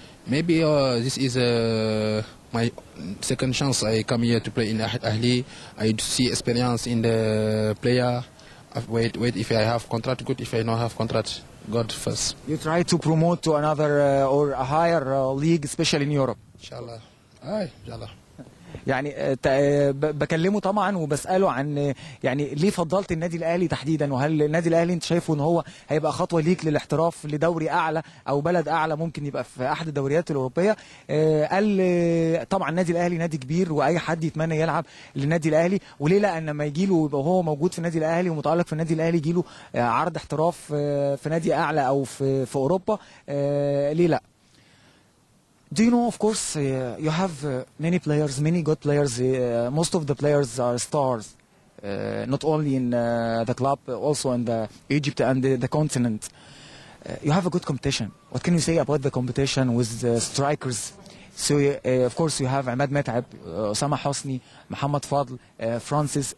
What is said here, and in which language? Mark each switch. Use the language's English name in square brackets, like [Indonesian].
[English] Maybe this is my second chance. I come here to play in Ahli. I see experience in the player. Wait, if I have contract, good. If I not have contract, God first. You try to promote to another or a higher league, especially in Europe. Inshallah. Aye, inshallah. [Arabic] يعني بكلمه طبعا وبساله عن يعني ليه فضلت النادي الاهلي تحديدا، وهل النادي الاهلي انت شايفه ان هو هيبقى خطوه ليك للاحتراف لدوري اعلى او بلد اعلى ممكن يبقى في احد الدوريات الاوروبيه؟ قال طبعا النادي الاهلي نادي كبير واي حد يتمنى يلعب للنادي الاهلي، وليه لا ان لما يجي له يبقى هو موجود في النادي الاهلي ومتعلق في النادي الاهلي يجي له عرض احتراف في نادي اعلى او في اوروبا، ليه لا؟ [English] Do you know, of course, you have many players, many good players. Most of the players are stars, not only in the club, also in the Egypt and the continent. You have a good competition. What can you say about the competition with the strikers? So, of course, you have Ahmed Metaib, Osama Hosni, Mohamed Fadl, Francis.